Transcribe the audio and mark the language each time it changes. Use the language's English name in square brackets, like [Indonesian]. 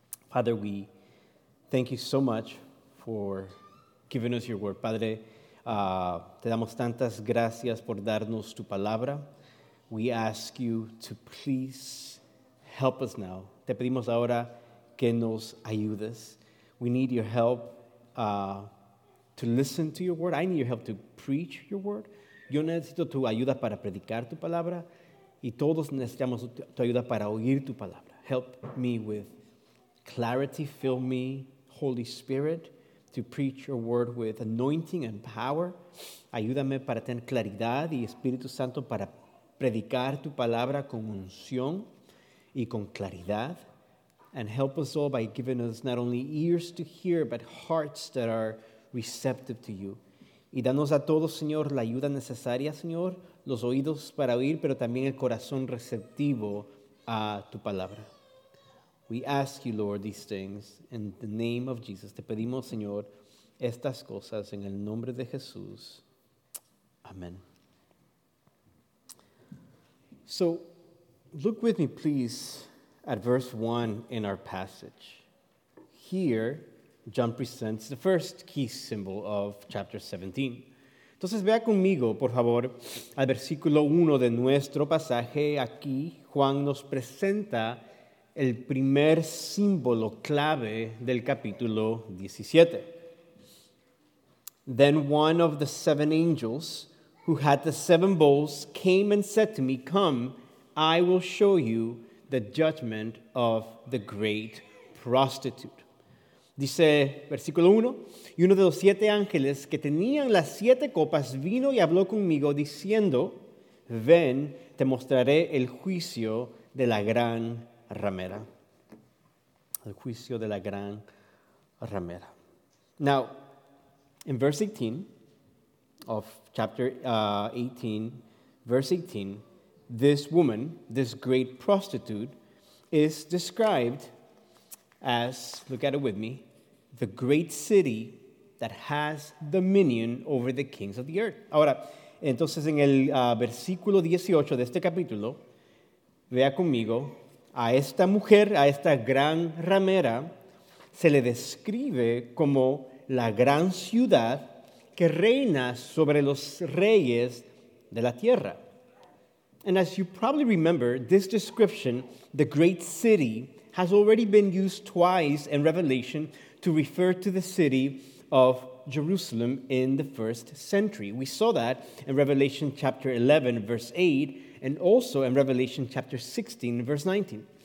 [English] Father, we thank you so much for giving us your word. [Spanish] Padre, te damos tantas gracias por darnos tu palabra. [English] We ask you to please help us now. [Spanish] Te pedimos ahora que nos ayudes. [English] We need your help to listen to your word. I need your help to preach your word. [Spanish] Yo necesito tu ayuda para predicar tu palabra y todos necesitamos tu ayuda para oír tu palabra. [English] Help me with clarity. Fill me Holy Spirit to preach your word with anointing and power. [Spanish] Ayúdame para tener claridad y Espíritu Santo para predicar tu palabra con unción y con claridad. [English] And help us all by giving us not only ears to hear, but hearts that are receptive to you. [Spanish] Y danos a todos, Señor, la ayuda necesaria, Señor, los oídos para oír, pero también el corazón receptivo a tu palabra. [English] We ask you, Lord, these things in the name of Jesus. [Spanish] Te pedimos, Señor, estas cosas en el nombre de Jesús. [English] Amen. So, look with me, please, at verse 1 in our passage. Here, John presents the first key symbol of chapter 17. [Spanish] Entonces, vea conmigo, por favor, al versículo 1 de nuestro pasaje. Aquí, Juan nos presenta el primer símbolo clave del capítulo 17. [English] Then one of the seven angels who had the seven bowls came and said to me, "Come, I will show you the judgment of the great prostitute." [Spanish] Dice, versículo 1, y uno de los siete ángeles que tenían las siete copas vino y habló conmigo diciendo, ven, te mostraré el juicio de la gran ramera. El juicio de la gran ramera. [English] Now, in verse 18, of chapter 18, verse 18, this woman, this great prostitute, is described as, look at it with me, the great city that has dominion over the kings of the earth. [Spanish] Ahora, entonces en el versículo 18 de este capítulo, vea conmigo, a esta mujer, a esta gran ramera, se le describe como la gran ciudad que reina sobre los reyes de la tierra. [English] And as you probably remember, this description, the great city, has already been used twice in Revelation to refer to the city of Jerusalem in the first century. We saw that in Revelation chapter 11, verse 8, and also in Revelation chapter 16, verse 19.